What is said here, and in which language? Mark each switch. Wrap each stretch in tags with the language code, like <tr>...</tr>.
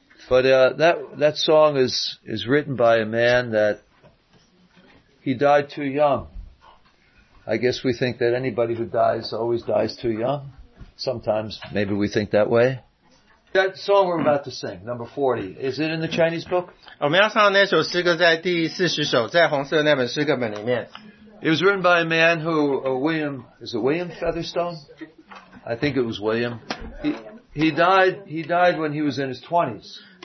<en>But that song is written by a man that he died too young. I guess we think that anybody who dies always dies too young. Sometimes maybe we think that way. That song we're about to sing, number 40, is it in the Chinese book?</en> <zh>我们要唱的那首诗歌在第40首在红色那本诗歌本里面。</zh> <en>It was written by a man who, William, is it William Featherstone? I think it was William. He died when he was in his 20s.</en>